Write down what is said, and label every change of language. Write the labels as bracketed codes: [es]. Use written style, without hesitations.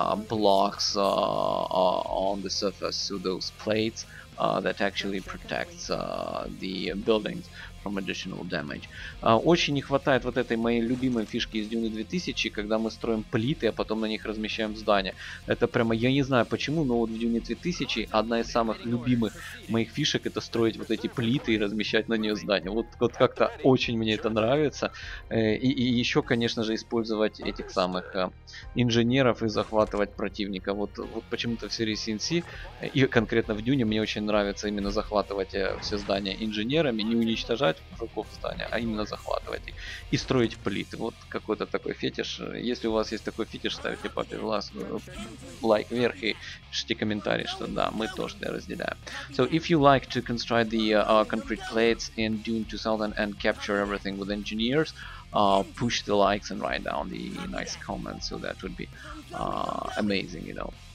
[en] blocks on the surface, so those plates that actually protects the buildings from additional damage. [ru] Очень не хватает вот этой моей любимой фишки из Dune 2000, когда мы строим плиты, а потом на них размещаем здания. Это прямо, я не знаю почему, но вот в Dune 2000 одна из самых любимых моих фишек — это строить вот эти плиты и размещать на нее здания. Вот, вот как-то очень мне это нравится. И еще, конечно же, использовать этих самых инженеров и захватывать противника. Вот, вот почему-то в серии CNC и конкретно в Dune мне очень нравится именно захватывать все здания инженерами, не уничтожать врагов здания, а именно захватывать их и строить плиты. Вот какой-то такой фетиш. Если у вас есть такой фетиш, ставьте папе глаз, лайк вверх и пишите комментарий, что да, мы тоже это разделяем. [en] So if you like to construct the concrete plates in Dune 2000 and capture everything with engineers, push the likes and write down the nice comments, so that would be amazing, you know.